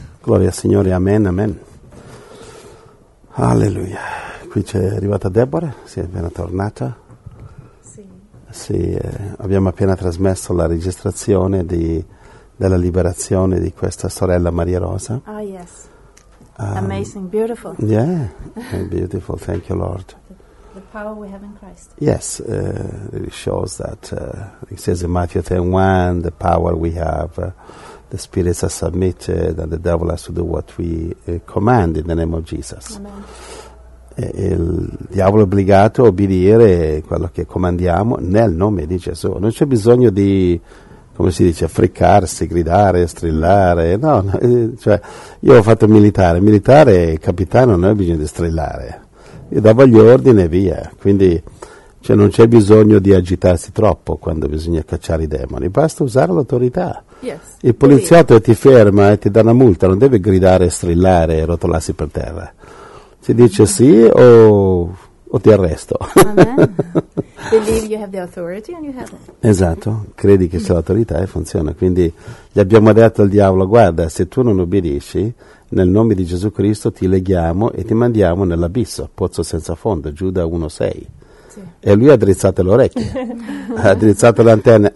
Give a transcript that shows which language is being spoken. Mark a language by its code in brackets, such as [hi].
[it] Gloria al Signore, amen, amen. Alleluia. Qui c'è arrivata Deborah, si è appena tornata. Sì. Sì, abbiamo appena trasmesso la registrazione di... della liberazione di questa sorella Maria Rosa. [en] Oh yes, amazing, beautiful. Yeah, beautiful, thank you Lord. The power we have in Christ. Yes, it shows that, it says in Matthew 10:1, the power we have, the spirits are submitted and the devil has to do what we command in the name of Jesus. Amen. [it] Il diavolo è obbligato a obbedire quello che comandiamo nel nome di Gesù. Non c'è bisogno di, come si dice, fricarsi, gridare, strillare, no, no, cioè io ho fatto militare, capitano, non ho bisogno di strillare, io davo gli ordini e via, quindi cioè, non c'è bisogno di agitarsi troppo quando bisogna cacciare i demoni, basta usare l'autorità. [en] Yes. [it] Il poliziotto ti ferma e ti dà una multa, non deve gridare, strillare e rotolarsi per terra, si dice sì o ti arresto. [en] Believe you have the authority and you have it. [it] Esatto, credi che c'è l'autorità e funziona. Quindi gli abbiamo detto al diavolo, guarda, se tu non obbedisci, nel nome di Gesù Cristo ti leghiamo e ti mandiamo nell'abisso, pozzo senza fondo, Giuda 1:6. Sì. E lui ha drizzato le orecchie, ha drizzato le antenne.